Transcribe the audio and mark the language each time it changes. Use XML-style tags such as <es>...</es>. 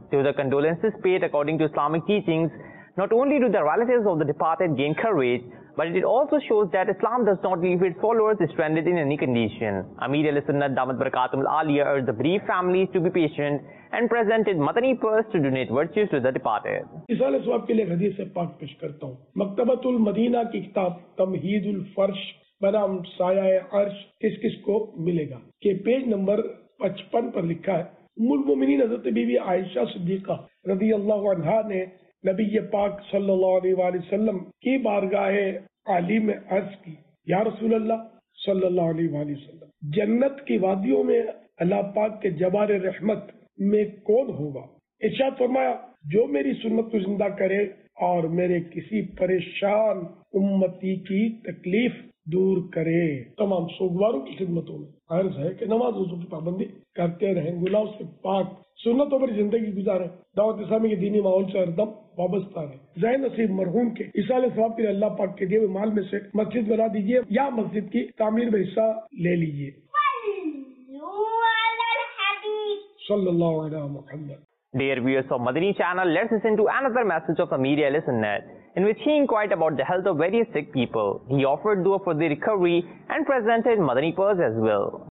<en>Though the condolences paid according to Islamic teachings, not only do the relatives of the departed gain courage, But it also shows that Islam does not leave its followers stranded in any condition. Amir al-Sunnat Damat Barakatum al-Aliya urged the bereaved families to be patient and presented Madani purse to donate virtues to the departed.</en> <ur>اس حوالے سے آپ کے لئے حدیث پاک پیش کرتا ہوں. مکتبۃ المدینہ کی کتاب تمہید الفرش بنام سایہ عرش کس کس کو ملے گا کہ پیج نمبر 55 پر لکھا ہے ام المومنین حضرت بی بی عائشہ صدیقہ رضی اللہ عنہ نے نبی پاک صلی اللہ علیہ وآلہ وسلم کی بارگاہ عالی میں عرض کی یا رسول اللہ صلی اللہ علیہ وآلہ وسلم جنت کی وادیوں میں اللہ پاک کے جوار رحمت میں کون ہوگا ارشاد فرمایا جو میری سنت کو زندہ کرے اور میرے کسی پریشان امتی کی تکلیف دور کرے تمام سوگواروں کی خدمتوں میں عرض ہے کہ نماز وضو کی پابندی کرتے رہیں گناہ سے پاک سنتوں پر زندگی گزاریں دعوت اسلامی کے دینی ماحول سے ہر دم وابستہ رہیں زین نصیب مرحوم کے عیسیٰ علیہ السلام کے لیے اللہ پاک کے دیے ہوئے مال میں سے مسجد بنا دیجیے یا مسجد کی تعمیر میں حصہ لے لیجیے صلی اللہ علیہ محمد</ur> <en>Dear viewers of Madani channel, let's listen to another message of Amir al-Sunnat in which he inquired about the health of various sick people. He offered dua for their recovery and presented Madani purse as well.</en>